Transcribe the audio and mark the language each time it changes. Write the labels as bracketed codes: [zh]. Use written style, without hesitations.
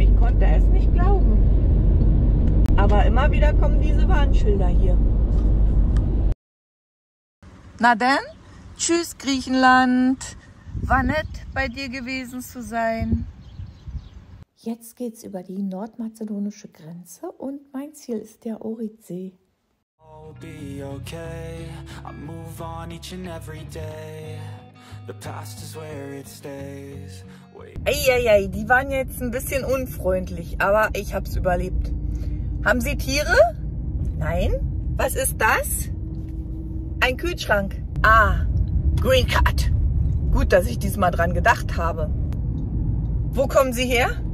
[de] Ich konnte es nicht glauben. Aber immer wieder kommen diese Warnschilder hier. Na denn, tschüss Griechenland. War nett, bei dir gewesen zu sein. Jetzt geht's über die nordmazedonische Grenze und mein Ziel ist der Orizee. [en] I'll be okay, I move on each and every day. The past is where it stays. [de] Eieiei, die waren jetzt ein bisschen unfreundlich, aber ich hab's überlebt. Haben Sie Tiere? Nein? Was ist das? Ein Kühlschrank. Ah, Green Card. Gut, dass ich diesmal dran gedacht habe. Wo kommen Sie her?